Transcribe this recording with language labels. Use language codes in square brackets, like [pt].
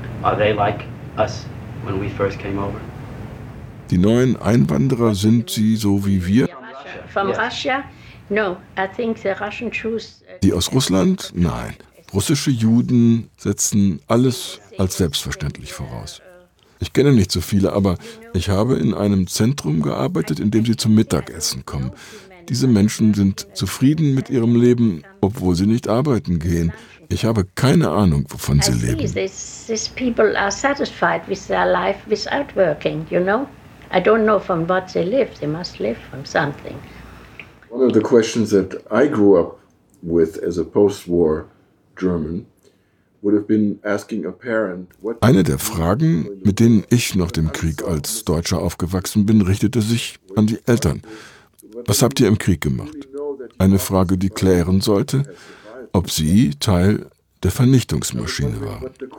[en] Are they like us when we first came over? [de] Die neuen Einwanderer, sind sie so wie wir? [en] From Russia? No, I think the Russian Jews. [de] Die aus Russland? Nein. Russische Juden setzen alles als selbstverständlich voraus. Ich kenne nicht so viele, aber ich habe in einem Zentrum gearbeitet, in dem sie zum Mittagessen kommen. Diese Menschen sind zufrieden mit ihrem Leben, obwohl sie nicht arbeiten gehen. Ich habe keine Ahnung, wovon sie leben. [en] These people are satisfied with their life without working, you know? I don't know from what they live. They must live from something. One of the questions that I grew up with as a post-war German would have been asking a parent, what. [de] Eine der Fragen, mit denen ich nach dem Krieg als Deutscher aufgewachsen bin, richtete sich an die Eltern. Was habt ihr im Krieg gemacht? Eine Frage, die klären sollte, ob sie Teil der Vernichtungsmaschine waren.